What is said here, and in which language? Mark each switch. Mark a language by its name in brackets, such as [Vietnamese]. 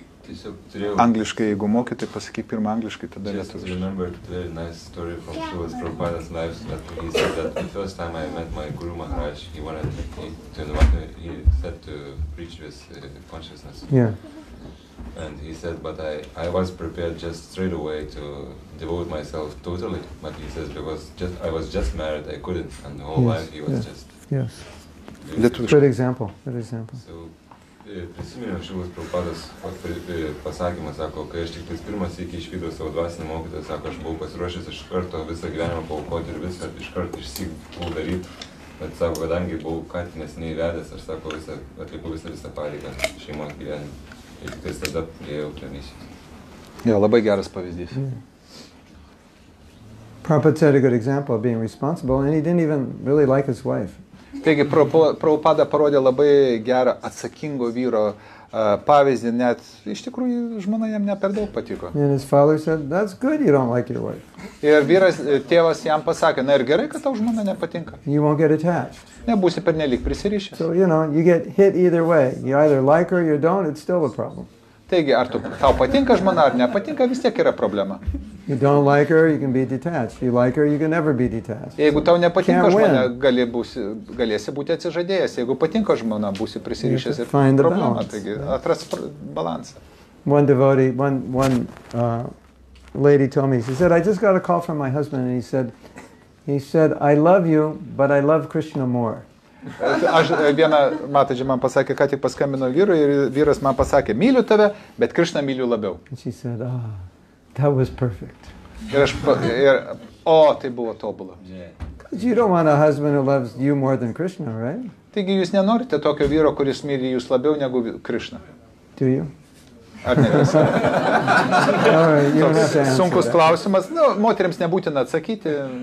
[Lithuanian] Angliškai, jeigu mokėtai, pasakyk pirmą angliškai, tada lietuviškai. [English] Just remembered a very nice story from Srimad Prabhupada's life that he said that the first time I met my Guru Maharaj, he wanted to invite me, he said to preach with consciousness. Yeah. And he said, but I was prepared just straight away to devote myself totally. But he says, because just I was just married, I couldn't. And the whole life he was just... Yes. Good example. Good example. [Lithuanian] So, prisiminiau Šilos Prabhupados pasakymą, sako, kai aš tik pirmas iki išvydo savo dvasinį mokytoją, sako, aš buvau pasiruošęs iš karto visą gyvenimą paukoti ir visą iš karto išsik buvau daryt. Bet, sako, kadangi buvau ką tik neseniai vedęs, aš, sako, atlikau visą pareigą šeimos gyvenimą. Ir tik tada priėjau prie misijos. Jo, labai geras pavyzdys. [English] Prabhupada said a good example of being responsible, and he didn't even really like his wife. [Lithuanian] Taigi, Prabhupada parodė labai gerą atsakingo vyro pavyzdį, net iš tikrųjų žmona jam ne per daug patiko. [English] And his father said, "That's good, you don't like your wife." [Lithuanian] Ir vyras, tėvas jam pasakė, na ir gerai, kad tau žmona nepatinka. [English] You won't get attached. [Lithuanian] Nebūsi pernelyg prisirišęs. [English] So, you know, you get hit either way. You either like her or you don't, it's still a problem. [Lithuanian] Taigi, ar tau patinka žmona ar nepatinka, vis tiek yra problema. You don't like her, you can be detached. You like her, you can never be detached. Jeigu tau nepatinka žmona, galėsi būti atsižadėjęs. Jeigu patinka žmona, būsi prisirišęs ir problema. Taigi, atras balansą. [English] One devotee, one lady told me, she said, "I just got a call from my husband and he said, I love you, but I love Krishna more." [Lithuanian] Aš vieną, matai, man pasakė, ką tik paskambino vyrui ir vyras man pasakė, myliu tave, bet Krishna myliu labiau. [English] And she said, ah, oh, that was perfect. [Lithuanian] Ir aš, ir, o, tai buvo tobulo. [English] Yeah. You don't want a husband who loves you more than Krishna, right? [Lithuanian] Taigi jūs nenorite tokio vyro, kuris myli jūs labiau negu Krishna. [English] Do you? [Lithuanian] Ar ne [English] right, [Lithuanian] sunkus [English] that. [Lithuanian] Klausimas. Nu, moterims nebūtina atsakyti.